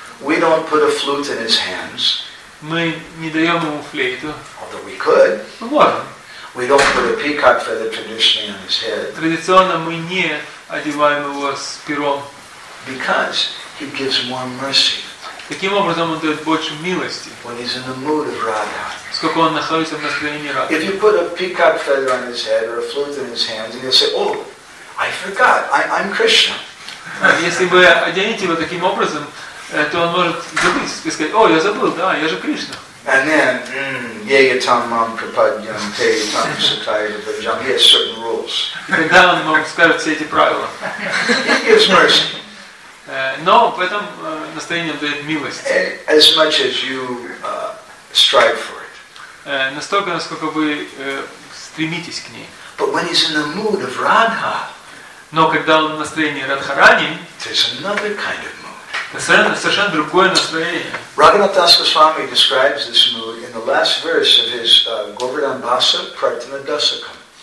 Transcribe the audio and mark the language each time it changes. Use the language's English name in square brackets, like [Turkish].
[English] We don't put a flute in his hands. [Russian] Мы не даем ему флейту. [English] Although we could. [Russian] Мы можем. [English] We don't put a peacock feather traditionally on his head. [Russian] Традиционно мы не одеваем его с пером. [English] Because he gives more mercy. [Russian] Таким образом, он дает больше милости. [English] When he's in the mood of Radha. [Russian] Сколько он находится в настроении Радхи. [English] If you put a peacock feather on his head or a flute in his hands, he'll say, "Oh, I forgot. I'm Krishna." [Russian] Если вы оденете его таким образом, то он может забыть и сказать: "О, я забыл, да, я же Кришна." [English] And then, [Sanskrit] yeyatam mam kripadyam teyatam sataya bhajam. [English] He has certain rules. [Russian] И тогда он может сказать все эти правила. [English] He gives mercy. [Russian] Но в этом настроении он дает милость. [English] As much as you strive for it. [Russian] Настолько, насколько вы стремитесь к ней. [English] But when he's in the mood of Radha. [Russian] Но когда он в настроении Радхарани, [English] kind of [Russian] это совершенно другое настроение. [English] Raghunath Das Goswami describes this mood in the last verse of his Govardhan Vasa Pratana Dasakam.